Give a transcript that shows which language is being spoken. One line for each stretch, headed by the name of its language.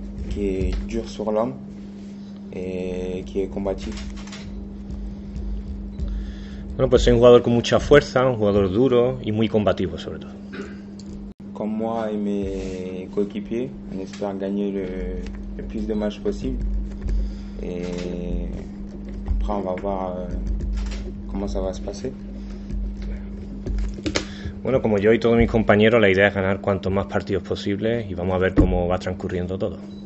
French: Qui est dur sur l'homme et qui est combatif.
Spanish: Bueno, pues soy un jugador con mucha fuerza, un jugador duro y muy combativo, sobre todo.
French: Comme moi et mes coéquipiers, on espère gagner le plus de matchs possible. Et après, on va voir comment ça va se passer.
Spanish: Bueno, como yo y todos mis compañeros, la idea es ganar cuantos más partidos posibles y vamos a ver cómo va transcurriendo todo.